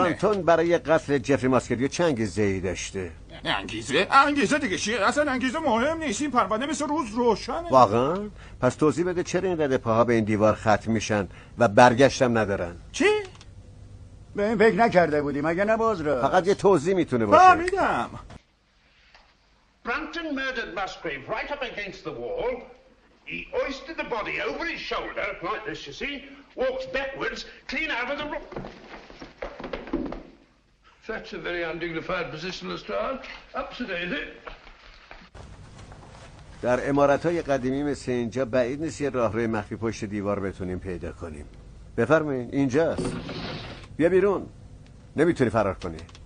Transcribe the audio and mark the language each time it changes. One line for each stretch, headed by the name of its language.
Persian: برانتون برای قتل جفری ماسکریو چه انگیزه ای داشته؟ انگیزه دیگه چیه؟ اصلا انگیزه مهم نیست، این پرونده مثل روز روشنه. واقعا؟ پس توضیح بده چرا این رده پاها به این دیوار ختم میشن و برگشتم ندارن؟ چی؟ به این فکر نکرده بودیم، اگه نباز را فقط یه توضیح میتونه باشه. فهمیدم.
English: Brunton murdered Musgrave right up against the wall. He hoisted the body over his shoulder, like this, you see. Walked backwards, clean out of the room. That's a very undignified position, Lestrade. Up to date.
Persian: در عمارت‌های قدیمی مثل اینجا بعید نیست یه راهروی مخفی پشت دیوار بتونیم پیدا کنیم. بفرمایید، اینجاست. بیا بیرون. نمیتونی فرار کنی.